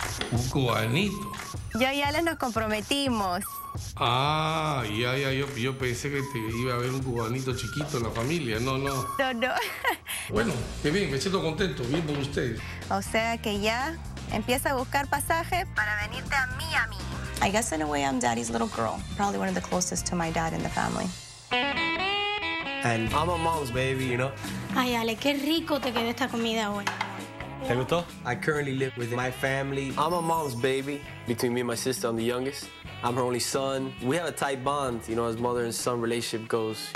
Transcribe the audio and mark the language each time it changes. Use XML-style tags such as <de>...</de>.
<es>¿Un cubanito? Yo y Ale nos comprometimos. Ah, ya, ya, yo pensé que te iba a ver un cubanito chiquito en la familia. No, no. No, no. Bueno, qué bien, me siento contento, bien por ustedes. O sea que ya... Empieza a buscar pasaje para venirte a Miami.</es> <en>I guess in a way I'm daddy's little girl. Probably one of the closest to my dad in the family. And I'm a mom's baby, you know?</en> <es>Ay, Ale, qué rico te quedó esta comida hoy. ¿Te gustó?</es> <en>I currently live with my family. I'm a mom's baby. Between me and my sister, I'm the youngest. I'm her only son. We have a tight bond, you know, as mother and son relationship goes.</en>